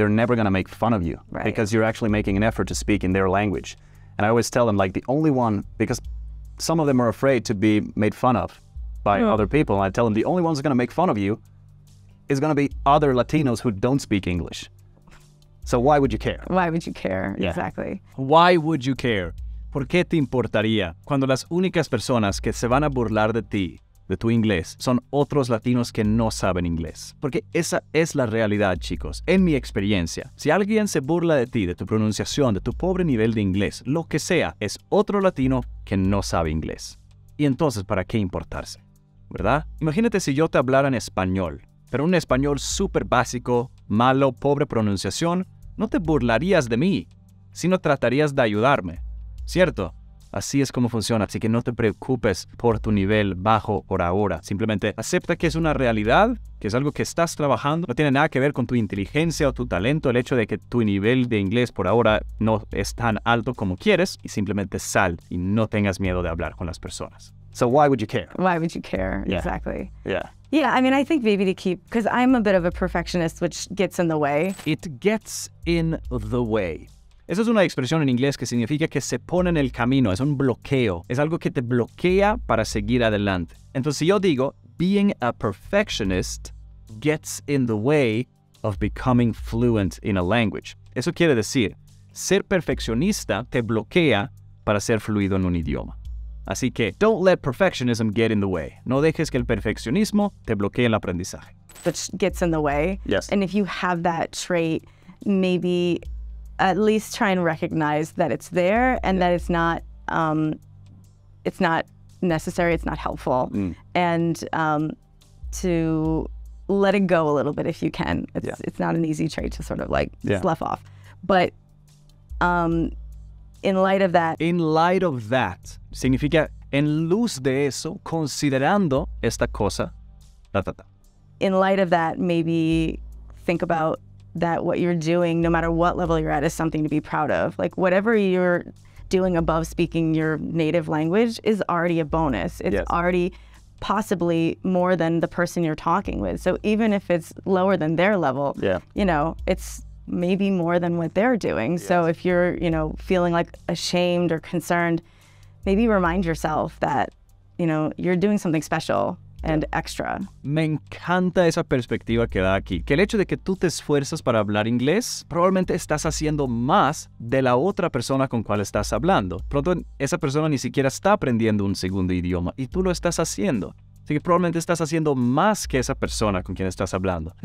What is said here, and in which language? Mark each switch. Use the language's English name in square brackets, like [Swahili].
[English] They're never gonna make fun of you because you're actually making an effort to speak in their language. And I always tell them, like, the only one, because some of them are afraid to be made fun of by other people. And I tell them the only ones that are gonna make fun of you is gonna be other Latinos who don't speak English. So why would you care? Why would you care? Yeah. Exactly. Why would you care? [Spanish] ¿Por qué te importaría cuando las únicas personas que se van a burlar de ti de tu inglés son otros latinos que no saben inglés? Porque esa es la realidad, chicos. En mi experiencia, si alguien se burla de ti, de tu pronunciación, de tu pobre nivel de inglés, lo que sea, es otro latino que no sabe inglés. Y entonces, ¿para qué importarse? ¿Verdad? Imagínate si yo te hablara en español, pero un español súper básico, malo, pobre pronunciación, no te burlarías de mí, sino tratarías de ayudarme. ¿Cierto? Así es como funciona, así que no te preocupes por tu nivel bajo por ahora. Simplemente acepta que es una realidad, que es algo que estás trabajando. No tiene nada que ver con tu inteligencia o tu talento, el hecho de que tu nivel de inglés por ahora no es tan alto como quieres. Y simplemente sal y no tengas miedo de hablar con las personas. [English] So why would you care? Why would you care? Yeah. Exactly. Yeah. Yeah, I mean, I think maybe to keep, because I'm a bit of a perfectionist, which gets in the way. It gets in the way. [Spanish] Esa es una expresión en inglés que significa que se pone en el camino, es un bloqueo, es algo que te bloquea para seguir adelante. Entonces, si yo digo, [English] being a perfectionist gets in the way of becoming fluent in a language. [Spanish] Eso quiere decir, ser perfeccionista te bloquea para ser fluido en un idioma. Así que, [English] don't let perfectionism get in the way. [Spanish] No dejes que el perfeccionismo te bloquee el aprendizaje. [English] Which gets in the way. Yes. And if you have that trait, maybe at least try and recognize that it's there and that it's not necessary, it's not helpful. Mm. And to let it go a little bit if you can. It's not an easy trait to sort of like slough off. But in light of that. In light of that, [Spanish] significa en luz de eso, considerando esta cosa, da, da, da. [English] In light of that, maybe think about that what you're doing, no matter what level you're at, is something to be proud of. Like, whatever you're doing above speaking your native language is already a bonus. It's already possibly more than the person you're talking with. So even if it's lower than their level, you know, it's maybe more than what they're doing. Yes. So if you're, you know, feeling like ashamed or concerned, maybe remind yourself that, you know, you're doing something special. and extra. [Spanish] Me encanta esa perspectiva que da aquí, que el hecho de que tú te esfuerzas para hablar inglés, probablemente estás haciendo más de la otra persona con cual estás hablando. Pronto esa persona ni siquiera está aprendiendo un segundo idioma y tú lo estás haciendo. Así que probablemente estás haciendo más que esa persona con quien estás hablando.